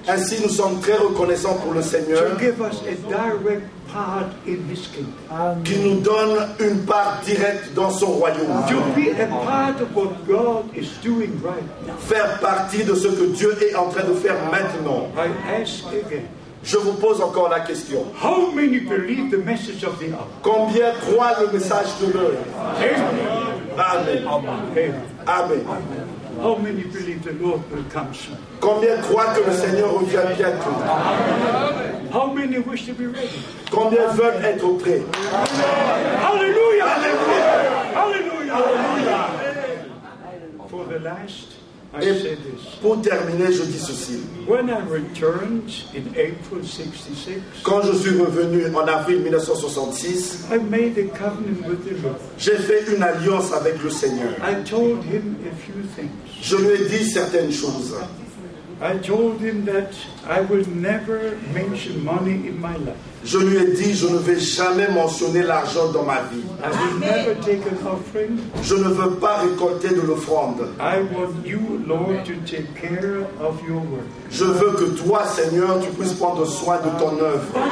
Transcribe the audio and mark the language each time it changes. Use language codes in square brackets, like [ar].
[fr] Ainsi, nous sommes très reconnaissants pour le Seigneur. [en] To give us a direct part in his kingdom. [fr] Qui nous donne une part directe dans son royaume. [en] To be a part of what God is doing right now. [fr] Faire partie de ce que Dieu est en train de faire maintenant. [en] I ask again. [fr] Je vous pose encore la question. [en] How many believe the message of the hour? [fr] Combien croient le message de l'heure? Amen. Amen. Amen. Amen. [en] How many believe the Lord will come soon? [fr] Combien croient que le Seigneur revient bientôt? [en] How many wish to be ready? [fr] Combien veulent être prêts? Hallelujah! Hallelujah! Hallelujah! Hallelujah! [en] For the last. [fr] Et [en] I said this. [fr] Pour terminer, je dis ceci. [en] When I returned in April 66, [fr] quand je suis revenu en avril 1966, [en] I made a covenant with the Lord. [fr] J'ai fait une alliance avec le Seigneur. [en] I told him a few things. [fr] Je lui ai dit certaines choses. [en] I told him that I will never mention money in my life. [fr] Je lui ai dit, je ne vais jamais mentionner l'argent dans ma vie. [en] I will never take an offering. [fr] Je ne veux pas récolter de l'offrande. [en] I want you, Lord, to take care of your work. [fr] Je veux que toi, Seigneur, tu puisses prendre soin de ton œuvre.